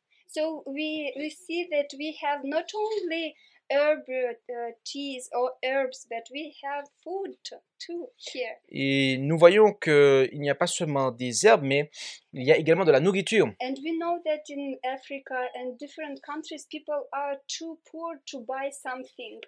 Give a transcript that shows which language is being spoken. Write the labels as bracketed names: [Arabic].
[English] So we see that we have not only herb teas or herbs but we have food too here. [French] Et nous voyons que il n'y a pas seulement des herbes mais il y a également de la nourriture. [English] And we know that in Africa and different countries people are too poor to buy something.